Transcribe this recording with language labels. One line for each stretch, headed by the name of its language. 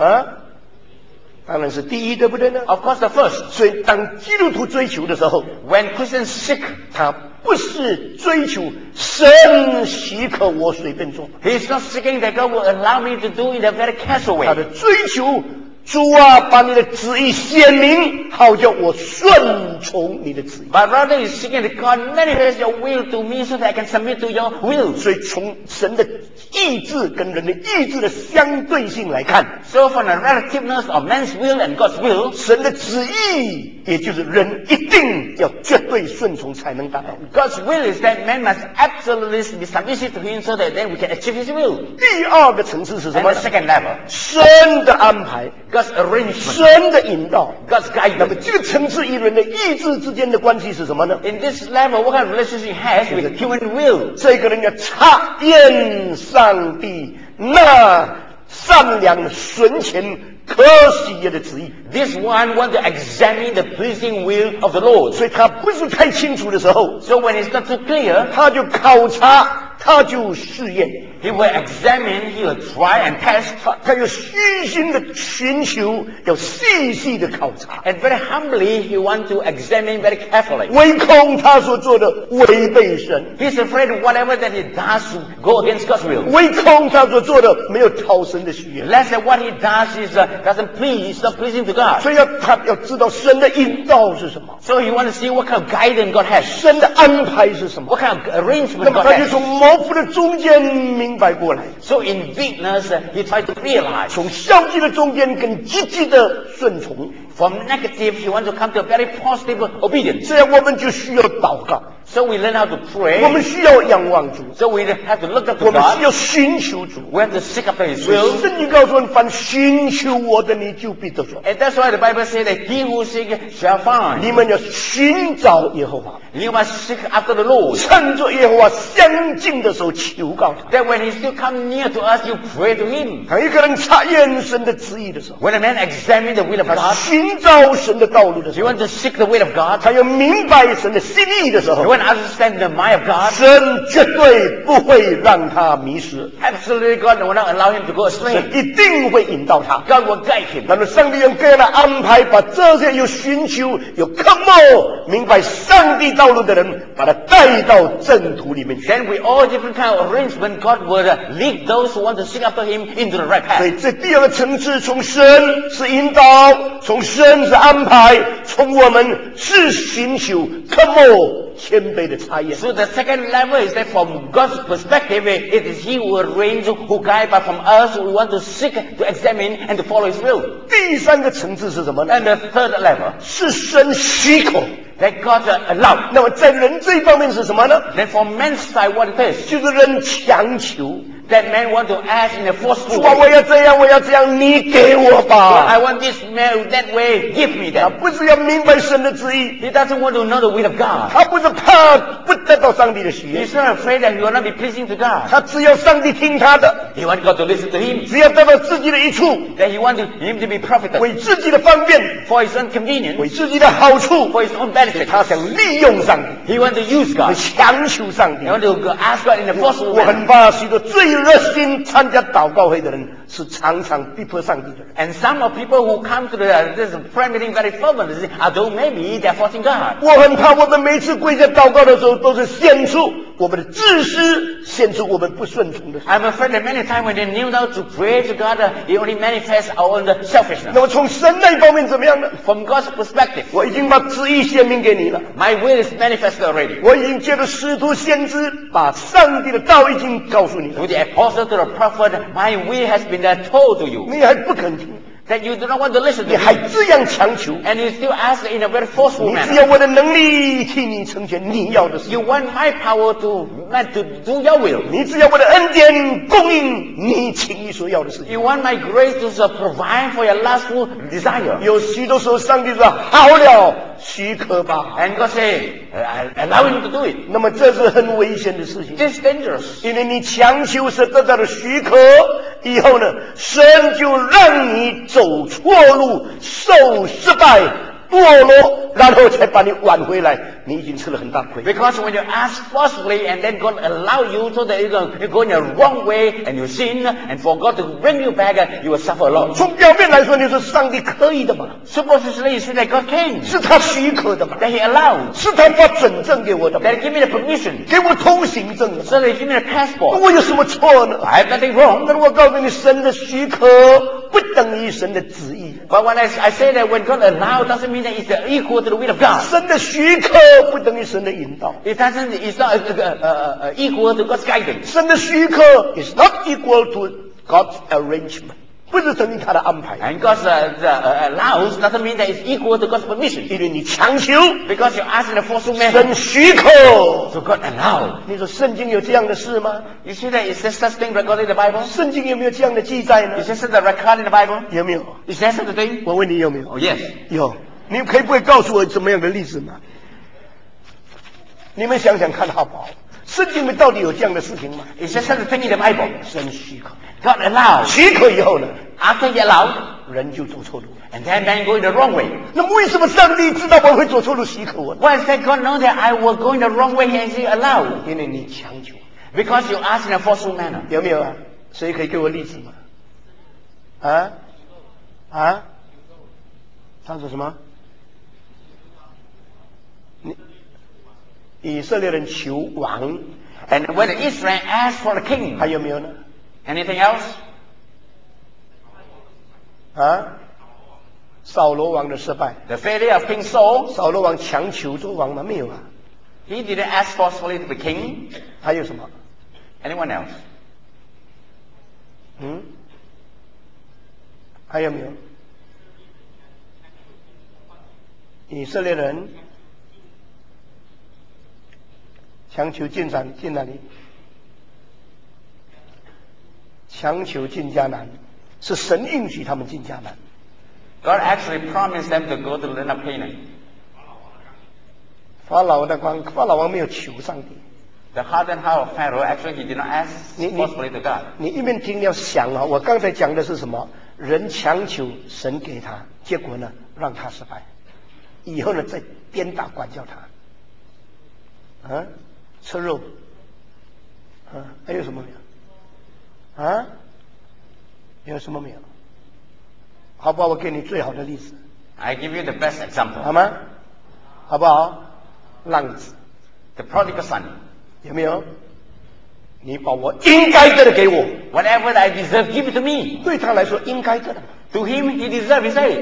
Chinese: 啊，当然是第一，对不对呢
English: ？Of course, the first。
Chinese: 所以当基督徒追求的时候
English: ，when Christians seek，
Chinese: 他不是追求神许可我随便做。
English: He's not seeking that God will allow me to do it in a very casual way。
Chinese: 他的追求，主啊，把你的旨意显明，好叫我顺从你的旨意。
English: But rather he's seeking that God manifest your will to me so that I can submit to your will。
Chinese: 所以从神的意志跟人的意志的相对性来看
English: ，So from the relativeness of man's will and God's will，
Chinese: 神的旨意。也就是人一定要绝对顺从才能达到。
English: God's will is that man must absolutely be submissive to Him so that then we can achieve His will.
Chinese: 第二个层次是什么
English: ？And the second level.
Chinese: 神的安排
English: ，God's arrangement.
Chinese: 神的引导
English: ，God's guidance.
Chinese: 那么这个层次与人的意志之间的关系是什么呢
English: ？In this level, what kind of relationship has with human will?
Chinese: 这个人要查验上帝那善良纯情。可喜悦的旨意
English: This one wants to examine the pleasing will of the Lord
Chinese: 所以他不是太清楚的时候
English: So when it's not too clear
Chinese: 他就考察他就试验
English: He will examine, he will try and test
Chinese: 他就虚心的寻求要细细的考察
English: And very humbly he wants to examine very carefully
Chinese: 唯恐他所做的违背神
English: He's afraid whatever that he does go against God's will
Chinese: 唯恐他所做的没有讨神的喜悦
English: Less than what he does is doesn't please, not pleasing to God
Chinese: 所以他要知道神的引导是什么
English: So he wants to see what kind of guidance God has
Chinese: 神的安排是什么
English: What kind of arrangement God has
Chinese: 那么他就从模糊的中间明白过来
English: So in weakness, he tried to realize
Chinese: 从消极的中间跟积极的顺从
English: From negative, he wants to come to a very positive obedience
Chinese: 这样我们就需要祷告
English: So we learn how to pray
Chinese: 我们需要仰望主
English: So we have to look up to God
Chinese: 我们需要寻求主
English: We have to seek up His will
Chinese: 圣经告诉我们凡寻求我的你就必得着
English: And that's why the Bible says that he who seek shall find
Chinese: 你们要寻找耶和华
English: You must seek after the Lord
Chinese: 趁着耶和华相近的时候求告他
English: That when he still come near to us, you pray to him
Chinese: 当一个人查验神的旨意的时候
English: When a man examine the will of God
Chinese: 他寻找神的道路的时候
English: He want to seek the will of God
Chinese: 他要明白神的心意的时候
English: He want to understand the mind of God
Chinese: 神绝对不会让他迷失
English: Absolutely God will not allow him to go astray
Chinese: 神一定会引导他
English: God will guide him
Chinese: 那么上帝用各样的安排把这些有寻求有渴慕明白上帝道路的人把他带到正途里面去
English: Then we all different kind of arrangement God will lead those who want to seek after him into the right path
Chinese: 所以这第二个层次从神是引导从神是安排从我们是寻求渴慕谦卑的查验
English: So the second level is that from God's perspective it is he who arrange who guide but from us who want to seek to examine and to follow his will
Chinese: 第三个层次是什么呢
English: And the third level
Chinese: 是神许可
English: That God allowed.
Chinese: 那么在人这一方面是什么呢
English: Then for man's side, what it is?
Chinese: 就是人强求。
English: That man want to ask in a forceful way.
Chinese: 主啊，我要这样，我要这样，你给我吧。
English: I want this man that way, give me that.
Chinese: 他不是要明白神的旨意。
English: He doesn't want to know the will of God.
Chinese: 他不是怕不得到上帝的喜悦。
English: He's not afraid that he will not be pleasing to God.
Chinese: 他只要上帝听他的。
English: He want God to listen to him.
Chinese: 只要得到自己的益处。
English: That he want him to be profitable.
Chinese: 为自己的方便。
English: For his own convenience.
Chinese: 为自己的好处。
English: For his own benefit.
Chinese: 他想利用上帝。
English: He want to use God.
Chinese: 强求上帝。
English: He want to ask God in a forceful way.
Chinese: 我很怕许多罪。热心参加祷告会的人是常常逼迫上帝的人。
English: And some of people who come to this prayer meeting very fervently, although maybe they're forcing God.
Chinese: 我很怕我们每次跪下祷告的时候都是献出我们的自私，献出我们不顺从的。
English: I'm afraid that many times when they kneel down to pray to God, it only manifests our own selfishness.
Chinese: 那么从神那一方面怎么样呢？
English: From God's perspective,
Chinese: 我已经把旨意显明给你了。
English: My will is manifested already.
Chinese: 我已经借着使徒先知把上帝的道已经告诉你了。
English: Through the apostle to the prophet, my will has been that told to you.
Chinese: 你还不肯听。
English: That you do not want to listen to me.
Chinese: 你还这样强求。
English: And you still ask in a very forceful manner.
Chinese: 你只要我的能力替你成全你要的事。
English: You want my power to do your will.
Chinese: 你只要我的恩典供应你情意所要的事。
English: You want my grace to provide for your lustful desire.
Chinese: 有许多时候上帝说好了，许可吧。
English: And God say, I allow you to do it.
Chinese: 那么这是很危险的事情。
English: This is dangerous.
Chinese: 因为你强求是得到了许可以后呢，神就让你走错路，受失败，堕落，然后才把你挽回来，你已经吃了很大亏。
English: Because when you ask falsely and then God allow you so that you go in the wrong way and you sin and for God to bring you back, you will suffer a lot.
Chinese: 从表面来说，你说上帝可以的嘛
English: ？Supposedly you say that God can.
Chinese: 是他许可的嘛
English: ？That He allowed.
Chinese: 是他发准证给我的嘛
English: ？That He give me the permission.
Chinese: 给我通行证。
English: So that He give me the passport.
Chinese: 我有什么错呢
English: ？I have nothing wrong.
Chinese: 那我告诉你，神的许可不等于神的旨意。
English: But when I say that when God allow doesn't mean that it's equal to the will of God.
Chinese: 神的许可不等于神的引导。
English: It doesn't, it's not equal to God's guidance.
Chinese: 神的许可
English: is not equal to God's arrangement.
Chinese: 不是等于他的安排。
English: And God's allows doesn't mean that it's equal to God's permission.
Chinese: 因为你强求。
English: Because you ask in a forceful manner.
Chinese: 神许可。
English: So God allow.
Chinese: 你说圣经有这样的事吗？
English: You see that, is there such thing recorded in the Bible?
Chinese: 圣经有没有这样的记载呢？
English: Is there such a record in the Bible?
Chinese: 有没有？
English: Is there such a thing?
Chinese: 我问你有没有？
English: Oh, yes.
Chinese: 有。你可以不可以告诉我怎么样的例子吗？你们想想看好不好？圣经里面到底有这样的事情吗？
English: Is there such a thing in the Bible?
Chinese: 神许可。
English: God allowed.
Chinese: 许可以后呢？
English: After He allowed.
Chinese: 人就走错路。
English: And then man go in the wrong way.
Chinese: 那为什么上帝知道我会走错路许可我呢？
English: Why does God know that I will go in the wrong way and He allowed?
Chinese: 因为你强求。
English: Because you ask in a forceful manner.
Chinese: 有没有啊？谁可以给我例子吗？啊？啊？他说什么？以色列人求王
English: ，and when the Israel asked for the king，
Chinese: 还有没有呢
English: ？Anything else？
Chinese: 啊，扫罗王的失败
English: ，the failure of King Saul。
Chinese: 扫罗王强求做王吗？没有啊。
English: He didn't ask forcefully to be king。
Chinese: 还有什么
English: ？Anyone else？
Chinese: 还有没有？以色列人。强求进山进哪里？强求进迦南，是神应许他们进迦南。
English: God actually promised them to go to the land of Canaan.
Chinese: 法老的光，法老王没有求上帝。
English: The hardened heart of Pharaoh actually he did not ask forcefully to God.
Chinese: 你一边听要想啊，我刚才讲的是什么？人强求神给他，结果呢让他失败，以后呢再鞭打管教他，啊？吃肉、啊、还有什么没有啊？有什么没有？好不好，我给你最好的例子。
English: I give you the best example.
Chinese: 好吗？好不好？浪子
English: The prodigal son.
Chinese: 有没有？你把我应该得的给我。
English: Whatever I deserve, give it to me.
Chinese: 对他来说应该得的。
English: To him, he deserves his aid.